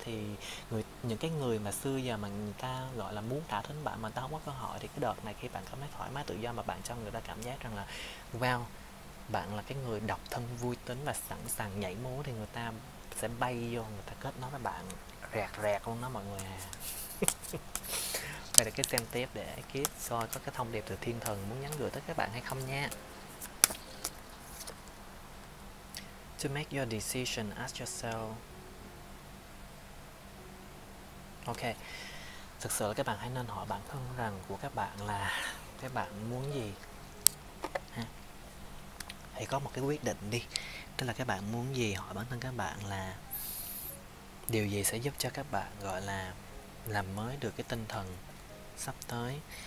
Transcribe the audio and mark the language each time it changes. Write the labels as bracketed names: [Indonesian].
[Vietnamese] Thì những cái người mà xưa giờ mà người ta gọi là muốn thả thính bạn mà người ta không có cơ hội, thì cái đợt này khi bạn cảm thấy thoải mái tự do mà bạn cho người ta cảm giác rằng là wow, bạn là cái người độc thân vui tính và sẵn sàng nhảy múa, thì người ta sẽ bay vô, người ta kết nối với bạn rẹt rẹt luôn đó mọi người à. Vậy là cái xem tiếp để kiếp soi có cái thông điệp từ thiên thần muốn nhắn gửi tới các bạn hay không nha. [English] To make your decision, ask yourself. [Vietnamese] Ok, thực sự là các bạn hãy nên hỏi bản thân rằng của các bạn là các bạn muốn gì. Hãy có một cái quyết định đi. Tức là các bạn muốn gì, hỏi bản thân các bạn là điều gì sẽ giúp cho các bạn gọi là làm mới được cái tinh thần sắp tới.